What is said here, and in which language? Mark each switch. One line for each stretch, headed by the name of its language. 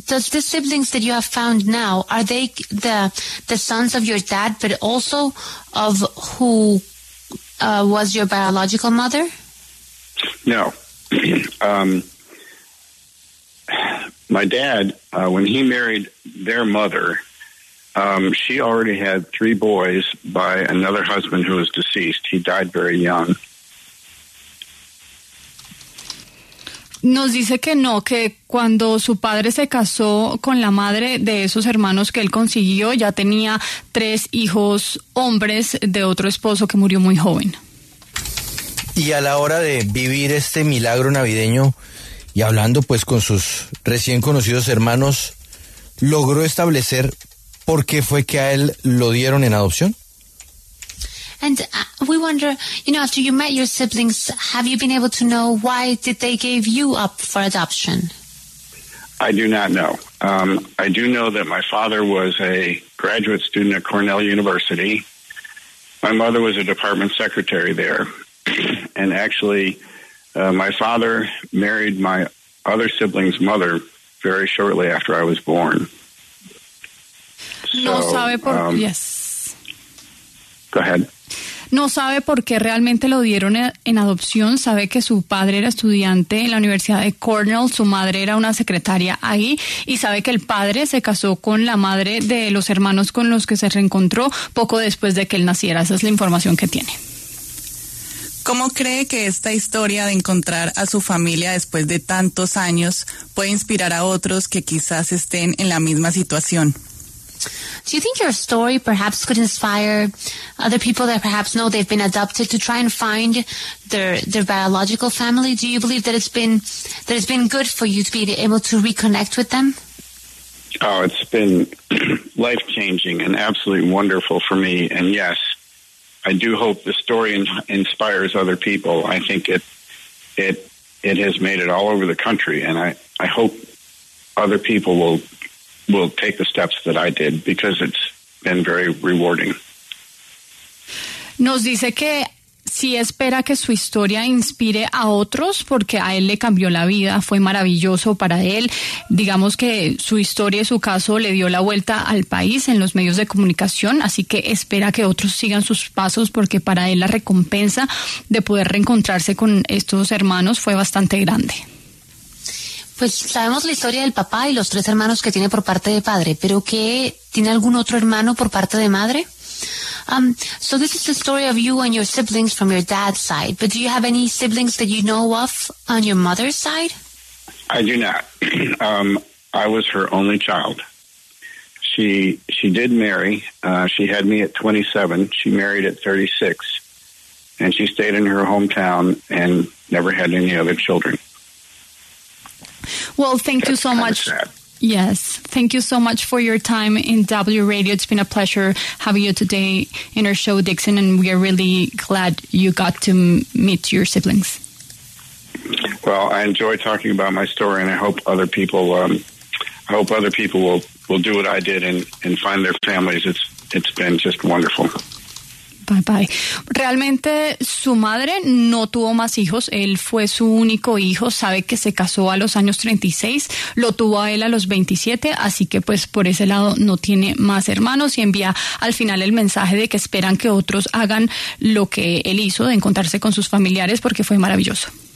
English: Does the siblings that you have found now, are they the sons of your dad, but also of who was your biological mother? No. My dad, when he married their mother, she already had 3 boys by another husband who was deceased. He died very young.
Spanish: Nos dice que no, que cuando su padre se casó con la madre de esos hermanos que él consiguió, ya tenía 3 hijos hombres de otro esposo que murió muy joven. Y a la hora de vivir este milagro navideño y hablando pues con sus recién conocidos hermanos, logró establecer, ¿por qué fue que a él lo dieron en adopción?
English: And we wonder, you know, after you met your siblings, have you been able to know why did they give you up for adoption? I do not know. I do know that my father was a graduate student at Cornell University. My mother was a department secretary there. And actually, my father married my other sibling's mother very shortly after I was born.
Spanish: No sabe por...
English: Yes. Go ahead.
Spanish: No sabe por qué realmente lo dieron en adopción. Sabe que su padre era estudiante en la Universidad de Cornell, su madre era una secretaria ahí, y sabe que el padre se casó con la madre de los hermanos con los que se reencontró poco después de que él naciera. Esa es la información que tiene. ¿Cómo cree que esta historia de encontrar a su familia después de tantos años puede inspirar a otros que quizás estén en la misma situación?
English: Do you think your story perhaps could inspire other people that perhaps know they've been adopted to try and find their biological family? Do you believe that it's been good for you to be able to reconnect with them? Oh, it's been life-changing and absolutely wonderful for me. And yes, I do hope the story inspires other people. I think it has made it all over the country, and I hope other people will take the steps that I did, because it's been very rewarding.
Spanish: Nos dice que sí espera que su historia inspire a otros, porque a él le cambió la vida, fue maravilloso para él. Digamos que su historia y su caso le dio la vuelta al país en los medios de comunicación, así que espera que otros sigan sus pasos, porque para él la recompensa de poder reencontrarse con estos hermanos fue bastante grande. Pues sabemos la historia del papá y los tres hermanos que tiene por parte de padre, pero ¿qué tiene algún otro hermano por parte de madre?
English: So this is the story of you and your siblings from your dad's side, but do you have any siblings that you know of on your mother's side? I do not. I was her only child. She did marry. She had me at 27. She married at 36. And she stayed in her hometown and never had any other children. Well, thank you so much. Yes, thank you so much for your time in W Radio. It's been a pleasure having you today in our show, Dixon, and we are really glad you got to meet your siblings. Well, I enjoy talking about my story, and I hope other people will do what I did and find their families. It's been just wonderful. Bye bye.
Spanish: Realmente su madre no tuvo más hijos, él fue su único hijo, sabe que se casó a los años 36, lo tuvo a él a los 27, así que pues por ese lado no tiene más hermanos, y envía al final el mensaje de que esperan que otros hagan lo que él hizo, de encontrarse con sus familiares, porque fue maravilloso.